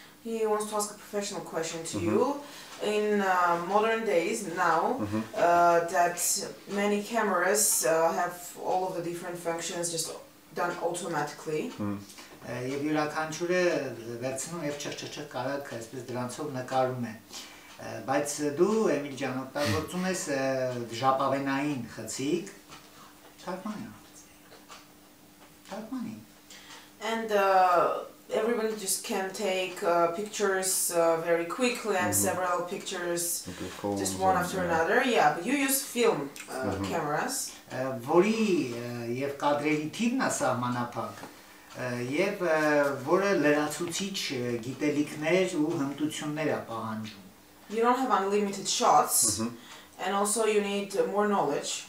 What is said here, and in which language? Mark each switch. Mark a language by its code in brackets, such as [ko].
[en] He wants to ask a professional question to you. In modern days now, that many cameras have all of the different functions just done automatically. [hy] Եվ յուրաքանչյուրը վերցնում եւ չրչչը կարակ այսպես դրանցով նկարում է։ Բայց դու, Էմիլ ջան, օգտագործում ես ժապավենային խցիկ, թարգմանի։ [en] And everybody just can take pictures very quickly and several pictures just one after another. Yeah, but you use film cameras. [hy] Որի եւ կադրերի թիվն է սահմանափակ, եւ որը լրացուցիչ գիտելիքներ ու հմտություններ է պահանջում։ [en] You don't have unlimited shots, and also you need more knowledge.